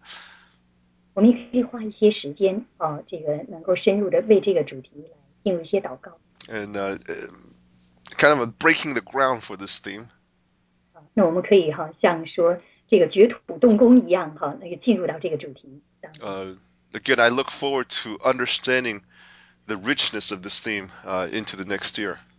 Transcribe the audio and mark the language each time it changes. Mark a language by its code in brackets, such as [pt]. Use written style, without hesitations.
[zh] 我们可以花一些时间，这个能够深入的为这个主题来。 [en] Kind of a breaking the ground for this theme. [zh] 那我们可以像说这个掘土动工一样，那个进入到这个主题。Again, [en] I look forward to understanding the richness of this theme into the next year.